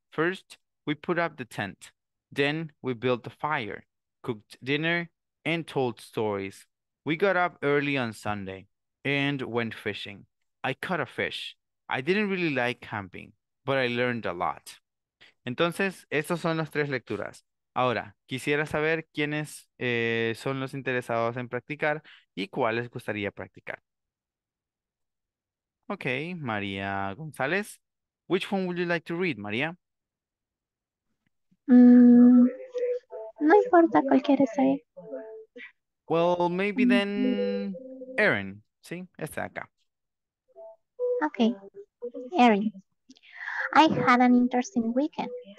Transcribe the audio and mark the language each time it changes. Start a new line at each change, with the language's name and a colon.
English: First, we put up the tent. Then we built a fire, cooked dinner, and told stories. We got up early on Sunday and went fishing. I caught a fish. I didn't really like camping, but I learned a lot.
Spanish: Entonces, estas son las tres lecturas. Ahora, quisiera saber quiénes son los interesados en practicar y cuáles gustaría practicar.
English: Okay, María González. Which one would you like to read, María?
Spanish: No importa, cualquiera está bien.
English: Well, maybe then Erin,
Spanish: ¿sí? Está acá.
English: Okay, Erin. I had an interesting weekend.